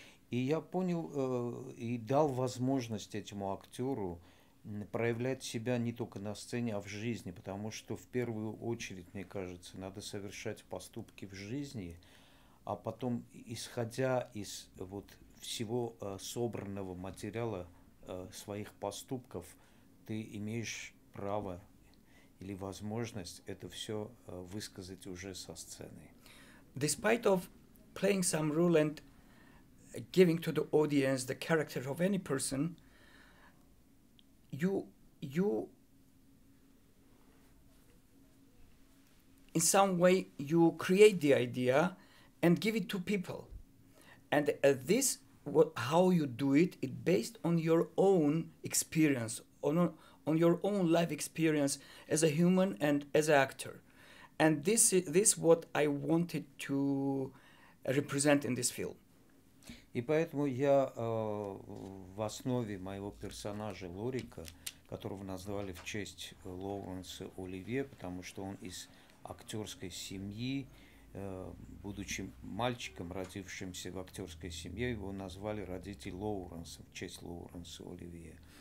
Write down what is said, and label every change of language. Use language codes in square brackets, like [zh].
[ru] И я понял и дал возможность этому актеру проявлять себя не только на сцене, а в жизни, потому что в первую очередь, мне кажется, надо совершать поступки в жизни, а потом, исходя из вот всего собранного материала своих поступков, ты имеешь право или возможность это все высказать уже со сцены. [en] Despite of playing some role and giving to the audience the character of any person, you in some way you create the idea and give it to people, and this how you do it, it's based on your own experience, on your own life experience as a human and as an actor. And this what I wanted to represent in this film. [ru] И поэтому я в основе моего персонажа Лорика, которого назвали в честь Лоуренса Оливье, потому что он из актерской семьи, будучи мальчиком, родившимся в актерской семье, его назвали родители Лоуренса в честь Лоуренса Оливье.